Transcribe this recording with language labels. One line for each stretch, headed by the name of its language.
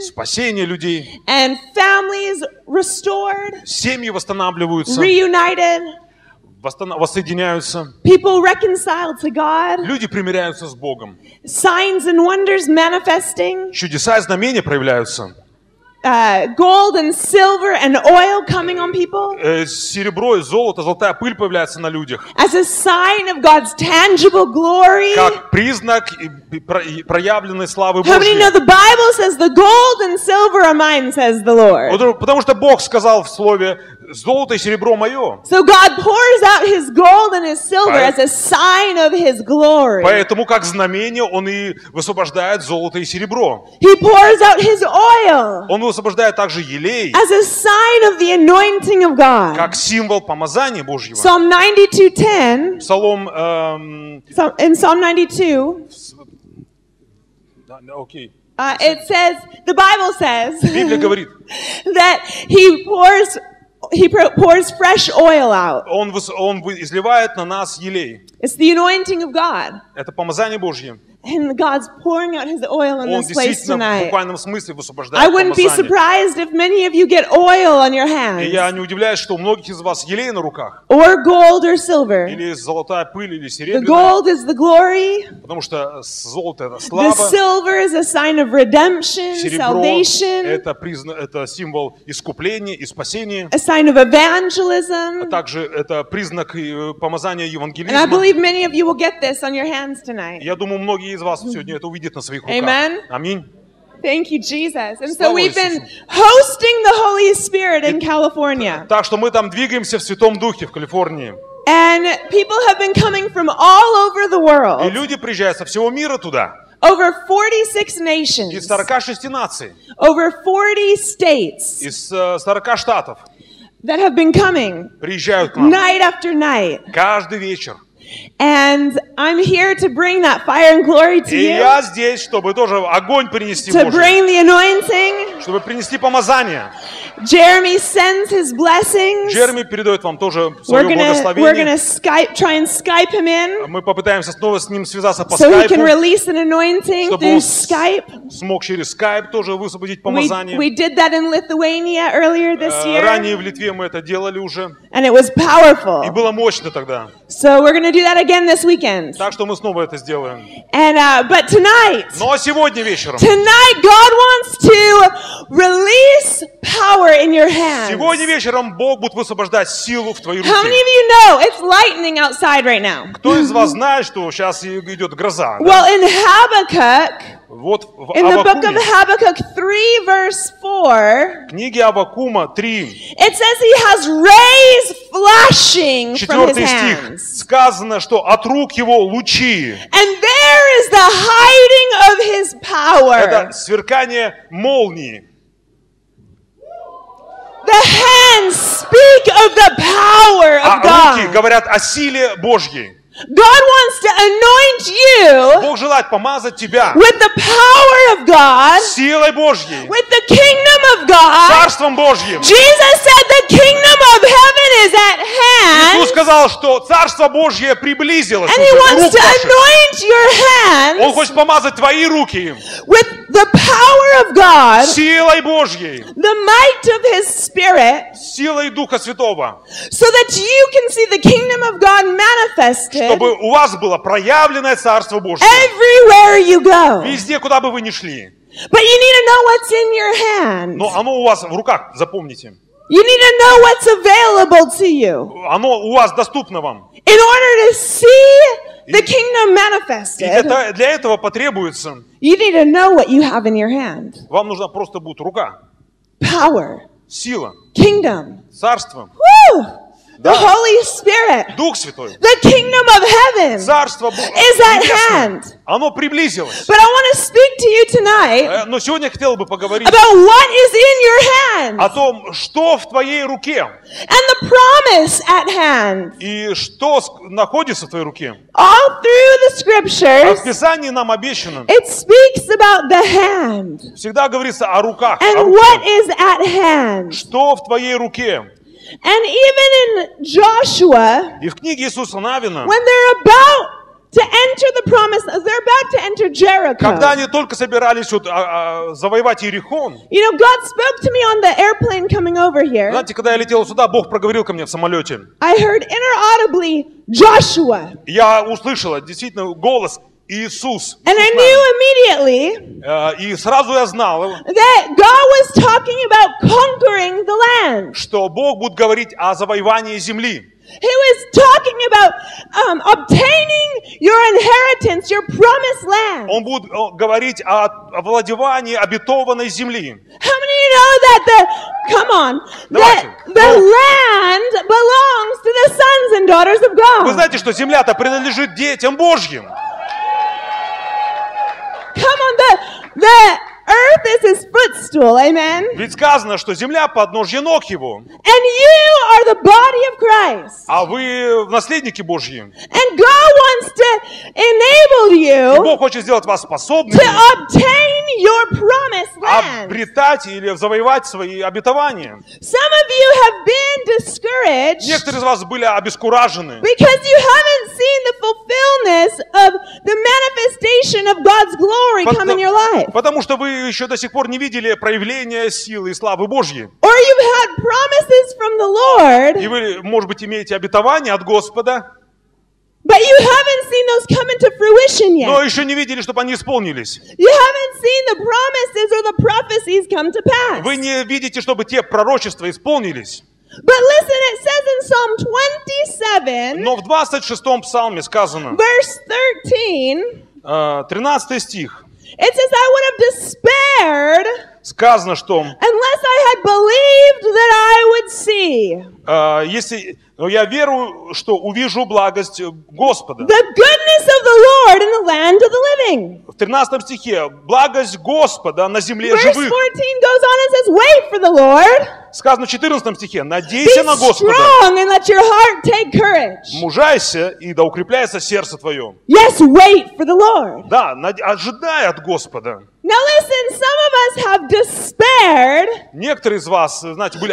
Russian: Спасение людей.
English: And families restored.
Russian: Семьи восстанавливаются.
English: Reunited.
Russian: Воссоединяются.
English: People reconciled to God.
Russian: Люди примиряются с Богом.
English: Signs and wonders manifesting.
Russian: Чудеса и знамения проявляются.
English: Gold and silver and oil coming on people.
Russian: Серебро и золото, золотая пыль появляется на людях.
English: As a sign of God's tangible glory.
Russian: Как признак проявленной славы Божьей.
English: How many know the Bible says the gold and silver are mine, says the Lord.
Russian: Потому что Бог сказал в слове: золото и серебро мое.
English: So God pours out His gold and His silver as a sign of His glory.
Russian: Поэтому как знамение Он и высвобождает золото и серебро.
English: He pours out His oil.
Russian: Он высвобождает также елей.
English: As a sign of the anointing of God.
Russian: Как символ помазания Божьего.
English: Psalm 92:10.
Russian: Псалом.
English: In Psalm 92. Okay. It says the Bible says.
Russian: Библия говорит.
English: That He pours. He pours fresh oil out.
Russian: Он изливает на нас елей.
English: It's the anointing of God.
Russian: Это помазание Божье.
English: And God's pouring out His oil in this place tonight.
Russian: В буквальном смысле высвобождает помазание.
English: I wouldn't be surprised if many of you get oil on your hands.
Russian: Я не удивляюсь, что у многих из вас елей на руках.
English: Or gold or silver.
Russian: Или золотая пыль или серебро.
English: The gold is the glory.
Russian: Потому что золото это слава.
English: The silver is a sign of redemption, salvation.
Russian: Серебро это символ искупления и спасения.
English: A sign of evangelism.
Russian: А также это признак помазания евангелизма.
English: And I believe many of you will get this on your hands tonight.
Russian: Я думаю, многие из вас сегодня это увидят на своих руках.
English: Amen.
Russian: Аминь.
English: Thank you, Jesus. And so we've been hosting the Holy Spirit in California.
Russian: Так что мы там двигаемся в Святом Духе в Калифорнии.
English: And people have been coming from all over the world.
Russian: И люди приезжают со всего мира туда.
English: Over 46 nations.
Russian: Из 46 наций.
English: Over 40 states.
Russian: Из 40 штатов.
English: That have been coming.
Russian: Приезжают к нам.
English: Night after night.
Russian: Каждый вечер.
English: And I'm here to bring that fire and glory to you.
Russian: И я здесь, чтобы тоже огонь принести Божий.
English: To bring the anointing.
Russian: Чтобы принести помазание.
English: Jeremy sends his blessings.
Russian: Джереми передает вам тоже свое благословение.
English: We're gonna Skype, try and Skype him in.
Russian: Мы попытаемся снова с ним связаться по Skype.
English: So he can release an anointing through Skype.
Russian: Смог через Skype тоже высвободить помазание.
English: We did that in Lithuania earlier this year.
Russian: Ранее в Литве мы это делали уже.
English: And it was powerful.
Russian: И было мощно тогда.
English: So we're gonna do that again this weekend.
Russian: Так что мы снова это сделаем.
English: And but tonight.
Russian: Но сегодня вечером.
English: Tonight God wants to release power in your hands.
Russian: Сегодня вечером Бог будет высвобождать силу в твои руки.
English: How many of you know it's lightning outside right now?
Russian: Кто из вас знает, что сейчас идет гроза?
English: Well, in Habakkuk.
Russian: Вот
English: in the book of Habakkuk 3, verse 4,
Russian: в книге Аввакума 3,
English: it says he has rays flashing from his
Russian: стих,
English: hands.
Russian: Сказано, что от рук его лучи.
English: And there is the hiding of his power.
Russian: Это сверкание молнии.
English: The hands speak of the power of God.
Russian: Руки говорят о силе Божьей.
English: God wants to anoint you.
Russian: Бог желает помазать тебя.
English: With the power of God.
Russian: Силой Божьей.
English: With the kingdom of God.
Russian: Царством Божьим.
English: Jesus said the kingdom of heaven is at hand.
Russian: Иисус сказал, что Царство Божье приблизилось.
English: And he wants to anoint your hands.
Russian: Он хочет помазать твои руки.
English: With the power of God.
Russian: Силой Божьей.
English: The might of his spirit.
Russian: Силой Духа Святого.
English: So that you can see the kingdom of God manifest.
Russian: Чтобы у вас было проявленное Царство Божье. Везде, куда бы вы ни шли.
English: But you need to know what's in your hands.
Russian: Но оно у вас в руках, запомните.
English: You need to know what's available to you.
Russian: Оно у вас доступно вам.
English: In order to see the kingdom manifested,
Russian: и для этого потребуется,
English: you need to know what you have in your hand.
Russian: Вам нужна просто будет рука.
English: Power.
Russian: Сила.
English: Kingdom.
Russian: Царство.
English: Woo! The Holy Spirit,
Russian: Дух Святой,
English: the kingdom of heaven,
Russian: Царство Божье,
English: is at hand.
Russian: Оно приблизилось.
English: But I want to speak to you tonight.
Russian: Но сегодня хотел бы поговорить
English: about what is in your hand.
Russian: О том, что в твоей руке.
English: And the promise at hand.
Russian: И что находится в твоей руке.
English: All through the scriptures.
Russian: В Писании нам обещано.
English: It speaks about the hand.
Russian: Всегда говорится о руках.
English: And what is at hand.
Russian: Что в твоей руке.
English: And even in Joshua,
Russian: и в книге Иисуса Навина,
English: when they're about to enter the promise, they're about to enter Jericho.
Russian: Когда они только собирались вот, завоевать Иерихон.
English: You know, God spoke to me on the airplane coming over here.
Russian: Знаете, когда я летел сюда, Бог проговорил ко мне в самолете.
English: I heard inaudibly Joshua.
Russian: Я услышала действительно голос. Иисус,
English: and I knew immediately
Russian: и сразу я знал,
English: that God was talking about conquering the land.
Russian: Что Бог будет говорить о завоевании земли.
English: He was talking about obtaining your inheritance, your promised land.
Russian: Он будет говорить о овладевании обетованной земли.
English: How many of you know that the, come on,
Russian: давайте,
English: that the land belongs to the sons and daughters of God?
Russian: Вы знаете, что земля-то принадлежит детям Божьим.
English: Come on, the earth is his footstool, amen.
Russian: Ведь сказано, что земля подножье ног его.
English: And you are the body of Christ.
Russian: А вы наследники Божьи.
English: And God wants to enable you.
Russian: И Бог хочет сделать вас способными.
English: To obtain your promised land.
Russian: Обретать или завоевать свои обетования.
English: Some of you have been discouraged.
Russian: Некоторые из вас были обескуражены.
English: Because you haven't seen the fulfillment of the manifestation of God's glory come in your life.
Russian: Потому что вы еще до сих пор не видели проявления силы и славы Божьей.
English: Or you've had promises from the Lord,
Russian: и вы, может быть, имеете обетование от Господа,
English: but you haven't seen those come into fruition yet.
Russian: Но еще не видели, чтобы они исполнились.
English: You haven't seen the promises or the prophecies come to pass.
Russian: Вы не видите, чтобы те пророчества исполнились.
English: But listen, it says in Psalm 27,
Russian: но в 26-м псалме сказано,
English: verse 13,
Russian: 13 стих,
English: it says, I would have despaired,
Russian: сказано, что,
English: unless I had believed that I would see.
Russian: Если, ну, я верю, что увижу благость Господа.
English: The goodness of the Lord in the land of the living.
Russian: В 13 стихе, благость Господа на земле
English: verse
Russian: живых.
English: Verse 14 goes on and says, wait for the Lord.
Russian: Сказано в 14 стихе, надейся
English: be
Russian: на Господа.
English: Be strong and let your heart take courage.
Russian: Мужайся, и да укрепляется сердце твое.
English: Yes, wait for the Lord.
Russian: Да, ожидай от Господа.
English: Now listen, some of us have despaired.
Russian: Некоторые из вас, знаете, были